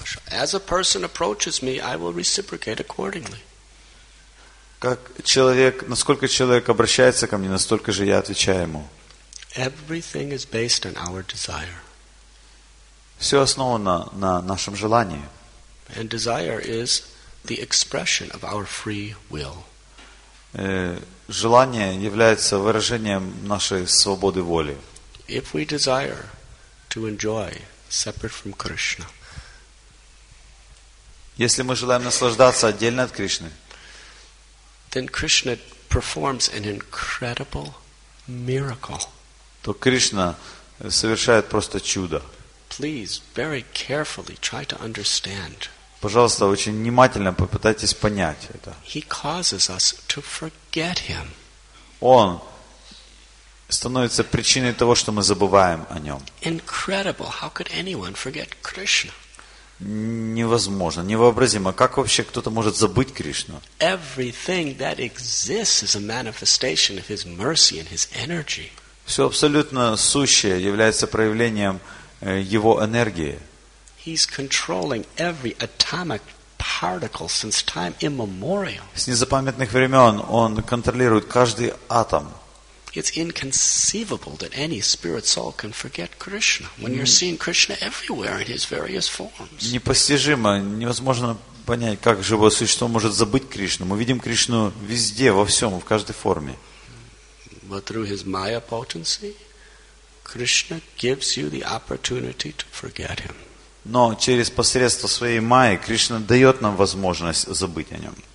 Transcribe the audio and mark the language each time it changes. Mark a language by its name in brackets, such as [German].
[English] As a person approaches me, I will reciprocate accordingly. [Russian] Как человек, насколько человек обращается ко мне, настолько же я отвечаю ему. [English] Everything is based on our desire. [Russian] Все основано на нашем желании. [English] And desire is the expression of our free will. [Russian] Желание является выражением нашей свободы воли. [English] If we desire to enjoy separate from Krishna. [Russian] Если мы желаем наслаждаться отдельно от Кришны, [English] then Krishna performs an incredible miracle. [Russian] То Кришна совершает просто чудо. [English] Please very carefully try to understand. [Russian] Пожалуйста, очень внимательно попытайтесь понять это. [English] He causes us to forget him. [Russian] Он становится причиной того, что мы забываем о нем. [English] Incredible. How could anyone forget Krishna? [Russian] Невозможно, невообразимо. Как вообще кто-то может забыть Кришну? [English] Everything that exists is a manifestation of his mercy and his energy. [Russian] Все абсолютно сущее является проявлением его энергии. [English] He's controlling every atomic particle since time immemorial. [Russian] С незапамятных времен он контролирует каждый атом. [English] It's inconceivable that any spirit soul can forget Krishna when you're seeing Krishna everywhere in his various forms. [Russian] Непостижимо, невозможно понять, как живое существо может забыть Кришну. Мы видим Кришну везде, во всем, в каждой форме. [English] But through his Maya potency, Krishna gives you the opportunity to forget him. [Russian] Но через посредство своей Майи Кришна дает нам возможность забыть о нем.